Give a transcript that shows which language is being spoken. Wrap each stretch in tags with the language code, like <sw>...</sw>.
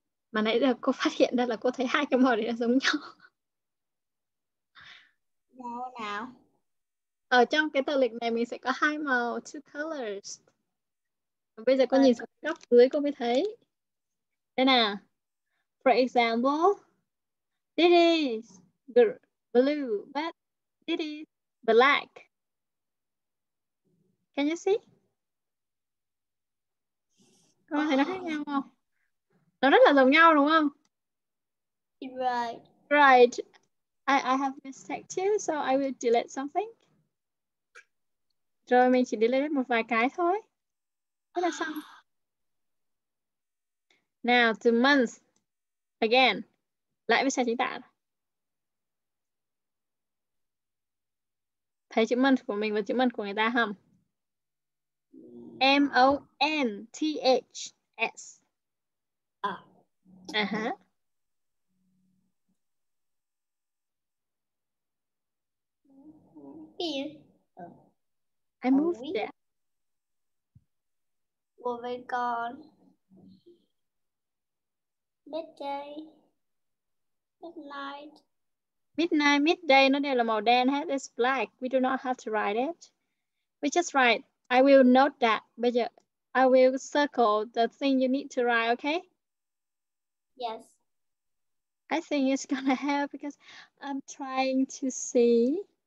<vi>Mà nãy giờ cô phát hiện ra là cô thấy hai cái màu này nó giống nhau. Màu nào? Ở trong cái tờ lịch này mình sẽ có hai màu,</vi> <en>two colors.</en> <vi>Và bây giờ cô nhìn xuống góc dưới cô mới thấy. Đây nè.</vi> <en>For example, it is blue, but it is black. Can you see?</en> <vi>Con thấy nó khác nhau không? Nó rất là giống nhau đúng không?</vi> <en>Right. I have mistake too, so I will delete something.</en> <vi>Rồi mình chỉ delete một vài cái thôi. Thế là xong.</vi> <en>Now to months. Again,</en> <vi>lại với sai chính tả. Thấy chữ month của mình và chữ month của người ta không?</vi> <en>M-O-N-T-H-S. Ah. Uh-huh. I moved there.</en> <vi>Ngồi với con.</vi> <en>Midday. Midnight.</en> <vi>Midnight, midday, nó đều là màu đen hết.</vi> <en>It's black. We do not have to write it. We just write. I will note that.</en> <vi>Bây giờ,</vi> <en>I will circle the thing you need to write, okay? Yes. I think it's gonna help because I'm trying to see.</en>